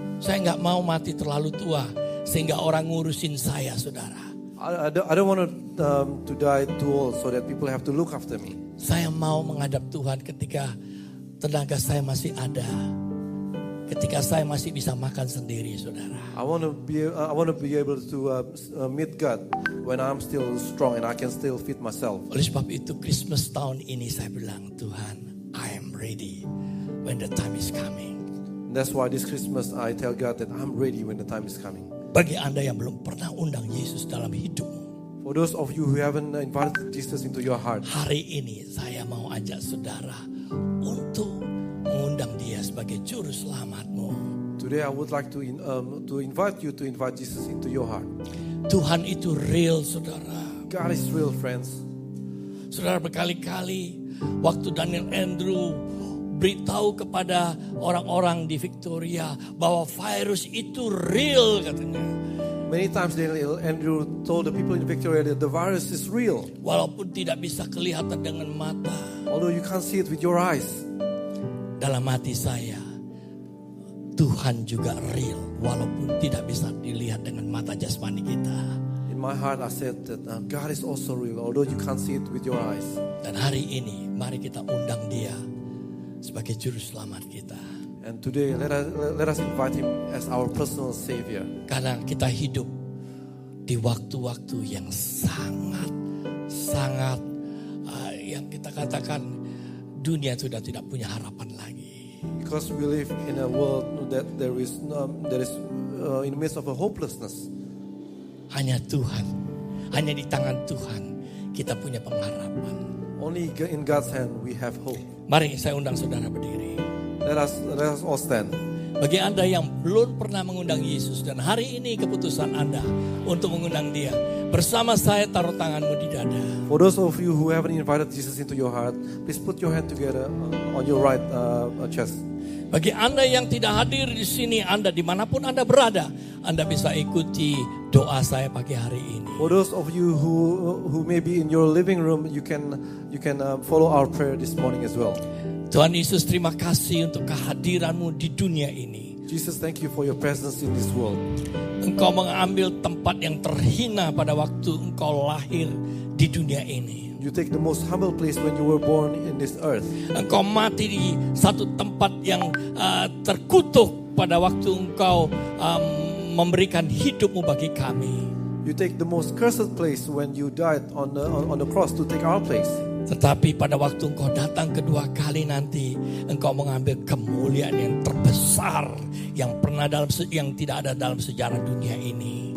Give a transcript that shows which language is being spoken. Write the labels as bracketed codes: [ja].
[id] Saya enggak mau mati terlalu tua sehingga orang ngurusin saya, saudara. [en] I don't want to die too old so that people have to look after me. [id] Saya mau menghadap Tuhan ketika tenaga saya masih ada. Ketika saya masih bisa makan sendiri, saudara. [en] I want to be able to meet God when I'm still strong and I can still feed myself. [id] Oleh sebab itu Christmas tahun ini saya bilang, Tuhan, [en] I am ready when the time is coming. That's why this Christmas I tell God that I'm ready when the time is coming. [id] Bagi Anda yang belum pernah undang Yesus dalam hidupmu. [en] For those of you who haven't invited Jesus into your heart. [id] Hari ini saya mau ajak saudara untuk mengundang Dia sebagai juru selamatmu. [en] Today I would like to invite Jesus into your heart. [id] Tuhan itu real, saudara. [en] God is real, friends. [id] Saudara, berkali-kali waktu Daniel Andrew beritahu kepada orang-orang di Victoria bahwa virus itu real, katanya. [en] Many times Daniel Andrew told the people in Victoria that the virus is real. [id] Walaupun tidak bisa kelihatan dengan mata. [en] Although you can't see it with your eyes. [id] Dalam hati saya, Tuhan juga real walaupun tidak bisa dilihat dengan mata jasmani kita. [en] In my heart I said that God is also real although you can't see it with your eyes. [id] Dan hari ini mari kita undang Dia sebagai juru selamat kita. [en] And today let us invite Him as our personal savior. [id] Karena kita hidup di waktu-waktu yang sangat sangat yang kita katakan dunia sudah tidak punya harapan lagi. [en] Because we live in a world that there is in the midst of a hopelessness. [id] Hanya Tuhan, hanya di tangan Tuhan kita punya pengharapan. [en] Only in God's hand we have hope. [id] Mari saya undang saudara berdiri. [en] Let us all stand. [id] Bagi Anda yang belum pernah mengundang Yesus dan hari ini keputusan Anda untuk mengundang Dia, bersama saya taruh tanganmu di dada. [en] For those of you who haven't invited Jesus into your heart, please put your hand together on your right chest. [id] Bagi Anda yang tidak hadir di sini, Anda dimanapun Anda berada, Anda bisa ikuti doa saya pagi hari ini. [en] For those of you who may be in your living room, you can follow our prayer this morning as well. [id] Tuhan Yesus, terima kasih untuk kehadiran-Mu di dunia ini. [en] Jesus, thank you for your presence in this world. [id] Engkau mengambil tempat yang terhina pada waktu Engkau lahir di dunia ini. [en] You take the most humble place when you were born in this earth. [id] Engkau mati di satu tempat yang terkutuk pada waktu Engkau memberikan hidup-Mu bagi kami. [en] You take the most cursed place when you died on the cross to take our place. [id] Tetapi pada waktu Engkau datang kedua kali nanti, Engkau mengambil kemuliaan yang terbesar yang tidak ada dalam sejarah dunia ini.